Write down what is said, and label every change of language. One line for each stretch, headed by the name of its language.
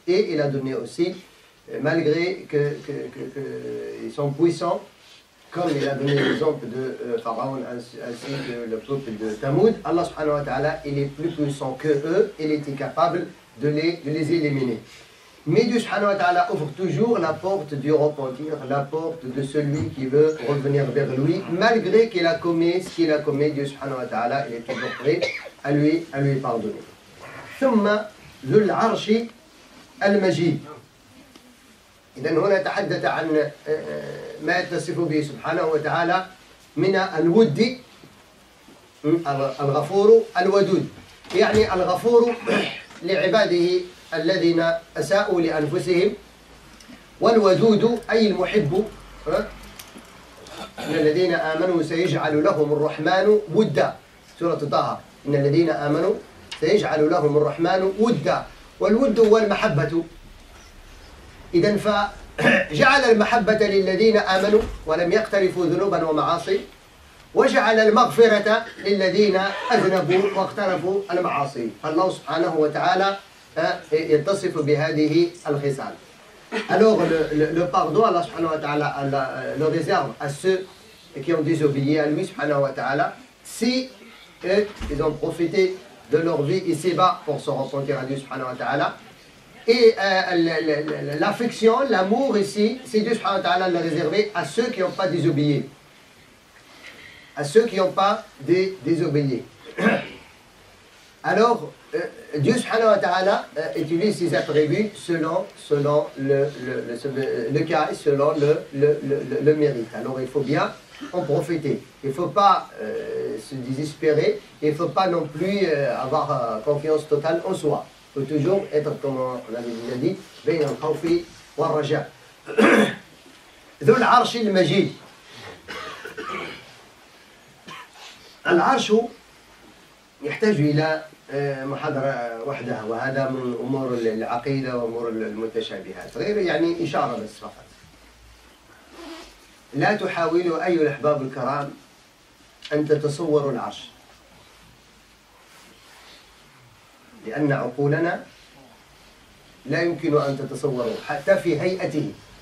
French: Et il a donné aussi, malgré qu'ils sont puissants, comme il a donné l'exemple de Pharaon ainsi que le peuple de Thamoud, Allah subhanahu wa ta'ala, il est plus puissant que eux, il était capable de les éliminer. Mais Dieu subhanahu wa ta'ala ouvre toujours la porte du repentir, la porte de celui qui veut revenir vers lui, malgré qu'il a commis ce qu'il a commis. Dieu subhanahu wa ta'ala il est toujours prêt à lui pardonner.
Arabic: ثم ذو العرش المجيد. إذن هنا تحدث عن ما يتصف به سبحانه وتعالى من الود الغفور الودود، يعني الغفور لعباده الذين أساءوا لأنفسهم، والودود أي المحب إن الذين آمنوا سيجعل لهم الرحمن ودا، سورة طه إن الذين آمنوا سيجعل لهم الرحمن ودا، والود هو المحبة. إذن فجعل المحبة للذين آمنوا ولم يقترفوا ذنوبا ومعاصي، وجعل المغفرة للذين أذنبوا واقترفوا المعاصي. فالله سبحانه وتعالى يتصف بهذه الخصال.
French: Alors le pardon, Allah subhanahu wa ta'ala le réserve à ceux qui ont désobéi à lui subhanahu wa ta'ala, si ils ont profité de leur vie ici-bas pour se repentir à Dieu subhanahu wa ta'ala. Et l'affection, l'amour ici, c'est Dieu subhanahu wa ta'ala le réservé à ceux qui n'ont pas désobéi. À ceux qui n'ont pas désobéi. Alors Dieu subhanahu wa ta'ala utilise ses attributs selon le cas et selon le mérite. Alors il faut bien en profiter. Il ne faut pas se désespérer. Il ne faut pas non plus avoir confiance totale en soi. Il faut toujours être, comme on avait déjà dit, «
Arabic: Bain al-khawfi wa raja ». Dhul arshi al-majid. Al-arshu yahtaju ila محاضرة وحدها، وهذا من أمور العقيدة وأمور المتشابهات، غير يعني إشارة بس فقط. لا تحاولوا أي الأحباب الكرام أن تتصوروا العرش، لأن عقولنا لا يمكن أن تتصوروا حتى في هيئته.